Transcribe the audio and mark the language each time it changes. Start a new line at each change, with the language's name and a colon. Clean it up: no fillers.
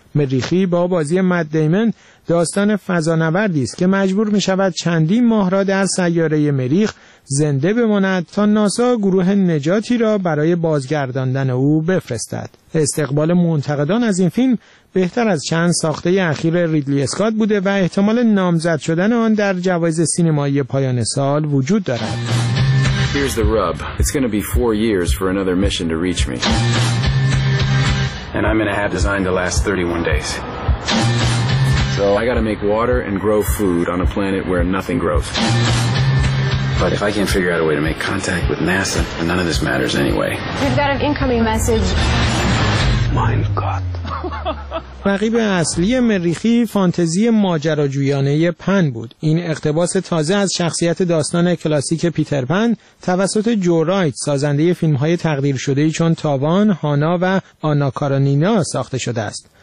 Persian: مریخی با بازی مد دیمن داستان فضانوردی است که مجبور می شود چندین ماه را در سیاره مریخ زنده بماند تا ناسا گروه نجاتی را برای بازگرداندن او بفرستد. استقبال منتقدان از این فیلم بهتر از چند ساخته اخیر ریدلی اسکات بوده و احتمال نامزد شدن آن در جوایز سینمایی پایان سال وجود دارد.
English: Here's the rub. It's going to be 4 years for another mission to reach me. And I'm in a hab designed to last 31 days. So I gotta make water and grow food on a planet where nothing grows. But if I can't figure out a way to make contact with NASA, then none of this matters anyway. We've got an incoming message.
German: Mein Gott.
Persian: رقیب اصلی مریخی فانتزی ماجراجویانه پن بود. این اقتباس تازه از شخصیت داستان کلاسیک پیتر پن توسط جو رایت، سازنده فیلم‌های تقدیر شده چون تاوان، هانا و آنا کارانینا ساخته شده است.